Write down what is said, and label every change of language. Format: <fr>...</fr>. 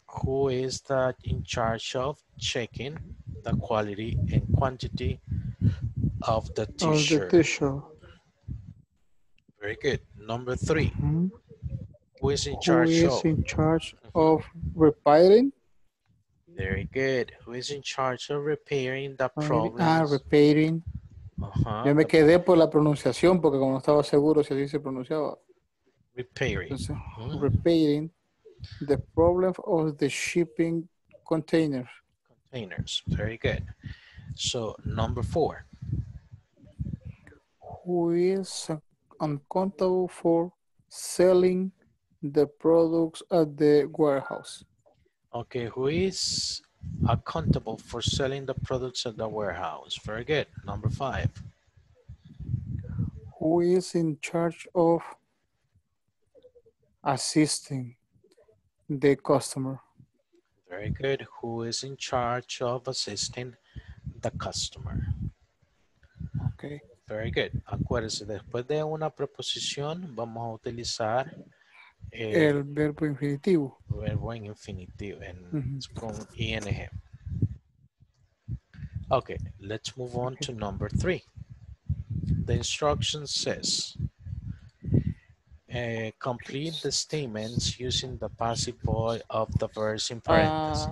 <en>Who is the in charge of checking the quality and quantity of the t-shirt? Of the t-shirt. Very good. Number three. Mm-hmm. Who is in charge of? Who is in charge of repairing? Very good. Who is in charge of repairing the problems? Repairing. Uh-huh.</en> <es>Yo me quedé por la pronunciación porque como no estaba seguro si así se pronunciaba.</es> <en>Repairing. Uh-huh. Repairing the problem of the shipping containers. Containers. Very good. So, number four. Who is accountable for selling the products at the warehouse? Okay, who is accountable for selling the products at the warehouse? Very good. Number five. Who is in charge of assisting the customer? Very good. Who is in charge of assisting the customer? Okay. Very good.</en> <es>Acuérdense, después de una preposición, vamos a utilizar el verbo infinitivo. Verbo en infinitivo. Es con ing.</es> <en>Okay, let's move on to number three. The instruction says, complete the statements using the passive voice of the verse in parentheses.</en>